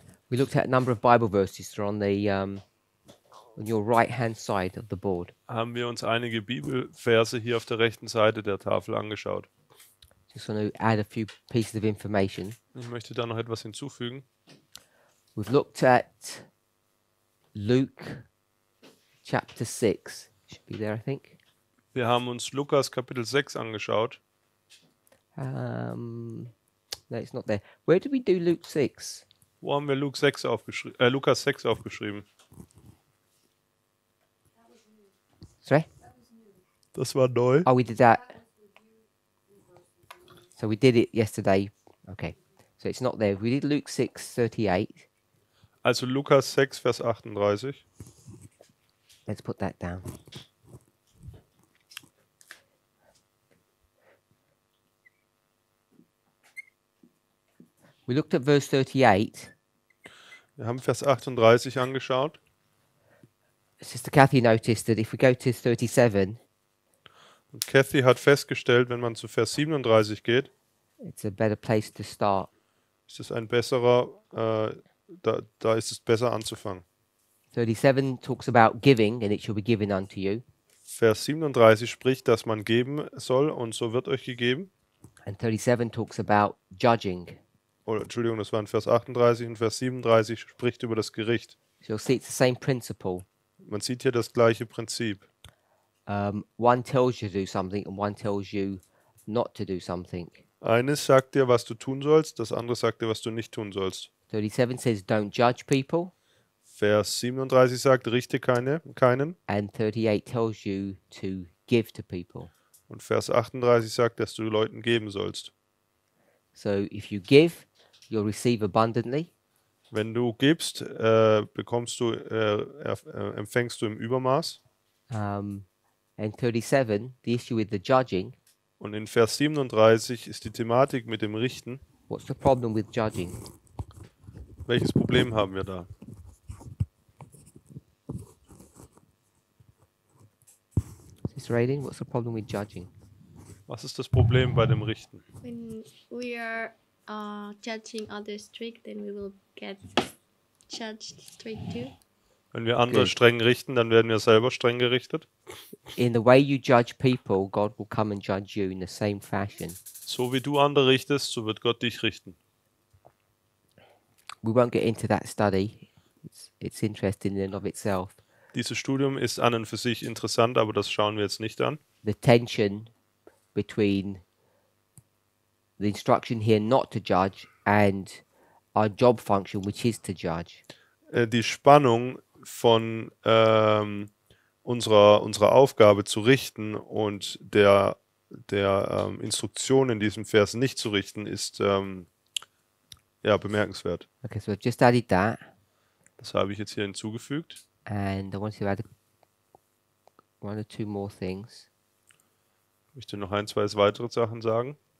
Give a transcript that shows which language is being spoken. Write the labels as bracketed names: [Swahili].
[English] We looked at a number of Bible verses that are on the on your right hand side of the board. [German] Haben wir uns einige Bibelverse hier auf der rechten Seite der Tafel angeschaut. [English] Just want to add a few pieces of information. [German] Ich möchte da noch etwas hinzufügen. [English] We've looked at Luke chapter 6. Should be there, I think. [German] Wir haben uns Lukas Kapitel 6 angeschaut. [English] No, it's not there. Where did we do Luke 6? [German] Wo haben wir Luke 6 aufgeschrieben? Lukas 6 aufgeschrieben. [English] Sorry? [German] Das war neu. [English] Oh, we did that. So we did it yesterday. Okay. So it's not there. We did Luke 6, 38. [German] Also Lukas 6, Vers 38. [English] Let's put that down. We looked at verse 38. [German] Wir haben Vers 38 angeschaut. [English] Sister Kathy noticed that if we go to 37. [German] Und Kathy hat festgestellt, wenn man zu Vers 37 geht, [English] it's a better place to start. [German] Ist es ein besserer, da ist es besser anzufangen. [English] 37 talks about giving and it shall be given unto you. [German] Vers 37 spricht, dass man geben soll und so wird euch gegeben. [English] And 37 talks about judging. [German] Oh, Entschuldigung, das waren Vers 38 und Vers 37 spricht über das Gericht. [English] So you'll see it's the same principle. [German] Man sieht hier das gleiche Prinzip. [English] One tells you to do something and one tells you not to do something. [German] Eines sagt dir, was du tun sollst, das andere sagt dir, was du nicht tun sollst. [English] 37 says don't judge people. [German] Vers 37 sagt, richte keinen. [English] And 38 tells you to give to people. [German] Und Vers 38 sagt, dass du Leuten geben sollst. [English] So if you give, you'll receive abundantly. [German] Wenn du gibst, empfängst du im Übermaß. [English] And 37, the issue with the judging. [German] Und in Vers 37 ist die Thematik mit dem Richten. [English] What's the problem with judging? [German] Welches Problem haben wir da? [English] Sister Aileen, what's the problem with judging? [German] Was ist das Problem bei dem Richten? [English] When we are judging others strict, then we will get judged strict too. [German] Wenn wir andere streng richten, dann werden wir selber streng gerichtet. [English] In the way you judge people, God will come and judge you in the same fashion. [German] So wie du andere richtest, so wird Gott dich richten. [English] We won't get into that study. It's interesting in and of itself. [German] Dieses Studium ist an und für sich interessant, aber das schauen wir jetzt nicht an. [English] The tension between the instruction here not to judge and our job function, which is to judge. [German] Die Spannung von unserer Aufgabe zu richten und der Instruktion in diesem Vers nicht zu richten ist bemerkenswert. [English] Okay, so I've just added that. [German] Das habe ich jetzt hier hinzugefügt. [English] And I want to add one or two more things. [German] Möchte noch ein, zwei weitere Sachen sagen?